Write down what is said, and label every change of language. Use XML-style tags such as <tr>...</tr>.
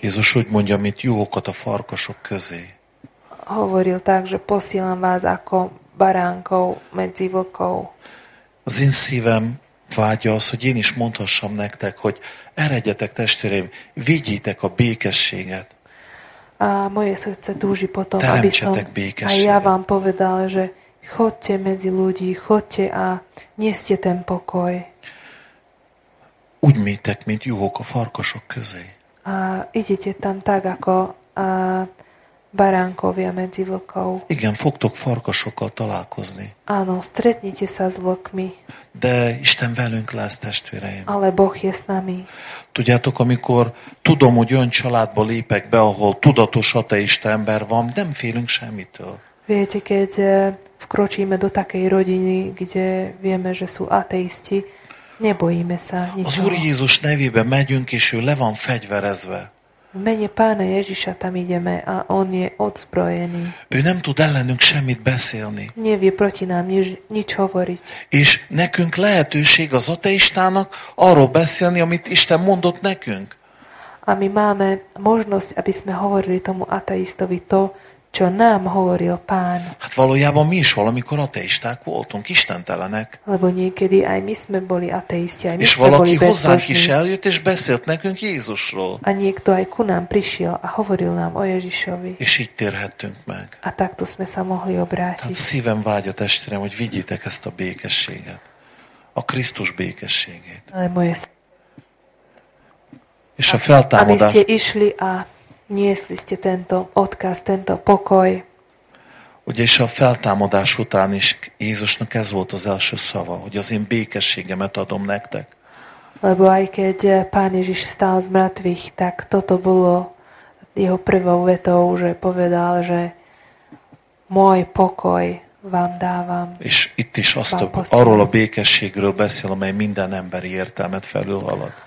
<hu>Jézus úgy mondja, mint juhokat a farkasok közé.</hu> <sk>Hovoril tak, že posílam vás ako baránkov medzi vlkov.</sk> <hu>Az én szívem vágya az, hogy én is mondhassam nektek, hogy eredjetek testvéreim, vigyétek a békességet.</hu> <sk>A moje srdce túži potom, aby som aj ja vám povedal, že chodte medzi ľudí, chodte a neste ten pokoj.</sk> <hu>Úgy mítek, mint juhok a farkasok közé.</hu> <sk>A idete tam tak, ako a baránkovia medzi vlkov.</sk> <hu>Igen, fogtok farkasokkal találkozni.</hu> <sk>Áno, stretnite sa s vlkmi.</sk> <hu>De Isten velünk lesz, testvéreim.</hu> <sk>Ale Boh je s nami.</sk> <hu>Tudjátok, amikor tudom, hogy olyan családba lépek be, ahol tudatos ateista ember van, nem félünk semmitől.</hu> <sk>Viete, keď vkročíme do takej rodiny, kde vieme, že sú ateisti, nebojíme sa ničoho.</sk> <hu>Az Úr Jézus nevébe megyünk, és ő le van fegyverezve.</hu> <sk>V mene Pána Ježiša tam ideme a on je odzbrojený.</sk> <hu>Ő nem tud ellenünk semmit beszélni.</hu> <sk>Nevie proti nám nič hovoriť.</sk> <hu>És nekünk lehetőség az ateistának arról beszélni, amit Isten mondott nekünk.</hu> <sk>A my máme možnosť, aby sme hovorili tomu ateistovi to, čo nám hovoril Pán.</sk> <hu>Hát valójában mi is valamikor ateisták voltunk, istentelenek.</hu> <sk>Lebo niekedy aj my sme boli ateisti, aj my sme boli bezbožní.</sk> <hu>És valaki hozzánk is eljött, és beszélt nekünk Jézusról.</hu> <sk>A niekto aj ku nám prišiel a hovoril nám o Ježišovi.</sk> <hu>És így térhettünk meg.</hu> <sk>A takto sme sa mohli obrátiť.</sk> <hu>Tehát szívem vágya, testvérem, hogy vigyétek ezt a békességet. A Krisztus békességét.</hu> <sk>Ale moje...</sk> <hu>És a feltámadás...</hu> <sk>A my ste išli a... Niesli ste tento odkaz, tento pokoj.</sk> <hu>Ugye és a feltámadás után is Jézusnak ez volt az első szava, hogy az én békességemet adom nektek.</hu> <sk>Lebo aj keď Pán Ježiš vstal z mŕtvych, tak toto bolo jeho prvou vetou, že povedal, že môj pokoj vám dávam.</sk> <hu>És itt is azt arról a békességről beszél, amely minden emberi értelmet felülhalad.</hu>